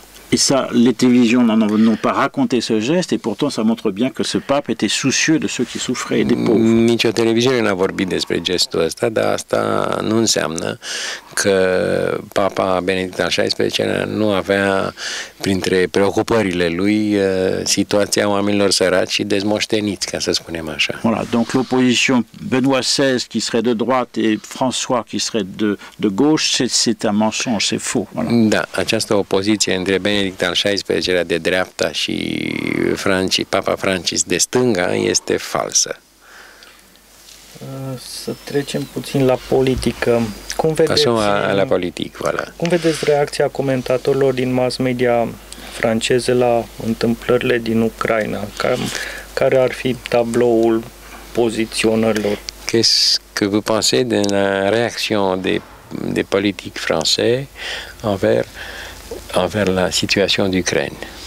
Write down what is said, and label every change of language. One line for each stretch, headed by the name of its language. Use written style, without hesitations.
French: Et ça, les télévisions n'ont pas raconté ce geste, et pourtant ça montre bien que ce pape était soucieux de ceux qui souffraient et des pauvres.
Romanian: Nici o televiziune n-a vorbit despre gestul ăsta, dar asta nu înseamnă că papa Benedict al XVI-lea nu avea printre preocupările lui situația oamenilor săraci și dezmoșteniți, ca să spunem așa.
French: Voilà, donc l'opposition Benoît XVI qui serait de droite et François qui serait de gauche, c'est un mensonge, c'est faux. Voilà.
Romanian: Da, această opoziție între Benedict al XVI-lea de dreapta și Papa Francis de stânga este falsă. Să trecem puțin la politică. Cum vedeți, cum vedeți reacția comentatorilor din mass media franceze la întâmplările din Ucraina? Care ar fi tabloul poziționărilor?
French: Qu'est-ce que vous pensez de la réaction des politiques français envers la situation d'Ukraine?